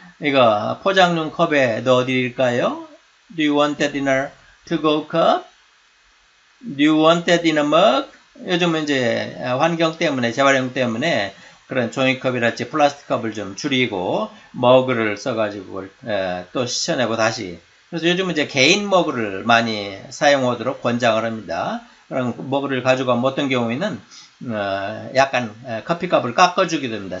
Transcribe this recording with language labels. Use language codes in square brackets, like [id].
[ko] 이거 포장용 컵에 넣어드릴까요? [en] Do you want that in a to-go cup? Do you want that in a mug? [ko] 요즘은 이제 환경 때문에, 재활용 때문에 그런 종이컵이랄지 플라스틱컵을 좀 줄이고 머그를 써가지고 또 시전하고 다시. 그래서 요즘은 이제 개인 머그를 많이 사용하도록 권장을 합니다. 그런 머그를 가지고 가면 어떤 경우에는 약간 커피값을 깎아주게 됩니다.